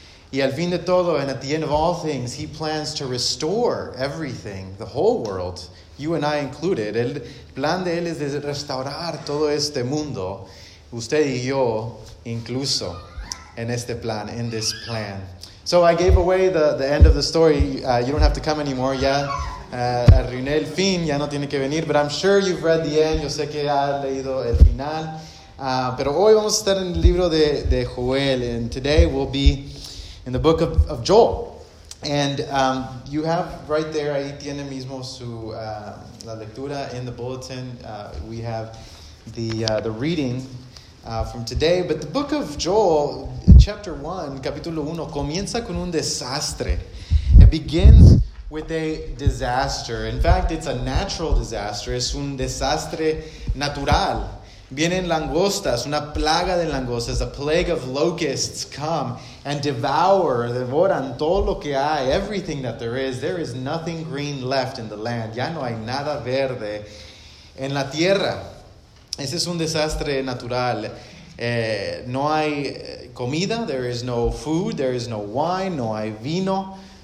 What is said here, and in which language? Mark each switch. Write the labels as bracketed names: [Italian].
[Spanish] Y al fin de todo, [English] and at the end of all things, he plans to restore everything, the whole world, you and I included. [Spanish] El plan de él es de restaurar todo este mundo, usted y yo incluso, en este plan, [English] in this plan. So I gave away the end of the story. You don't have to come anymore. [Spanish] Ya arruiné el fin, ya no tiene que venir. [English] But I'm sure you've read the end. [Spanish] Yo sé que ha leído el final. Pero hoy vamos a estar en el libro de Joel. [English] And today we'll be in the book of Joel. And you have right there, [Spanish] ahí tiene mismo su la lectura [English] in the bulletin. We have the reading from today. But the book of Joel, chapter 1, [Spanish] capítulo 1, comienza con un desastre. [English] It begins with a disaster. In fact, it's a natural disaster. [Spanish] Es un desastre natural. Vienen langostas, una plaga de langostas, [English] a plague of locusts come and [Spanish] devoran todo lo que hay, [English] everything that there is. There is nothing green left in the land. [Spanish] Ya no hay nada verde en la tierra. Ese es un desastre natural. No hay comida, [English] there is no food, there is no wine, [Spanish] no hay vino.